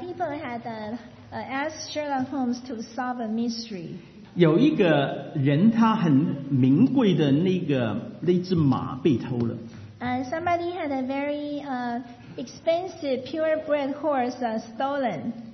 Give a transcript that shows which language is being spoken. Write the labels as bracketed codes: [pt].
[en] people had asked Sherlock Holmes to solve a mystery. [zh] 有一个人，他很名贵的那只马被偷了。 [en] Somebody had a very expensive purebred horse stolen.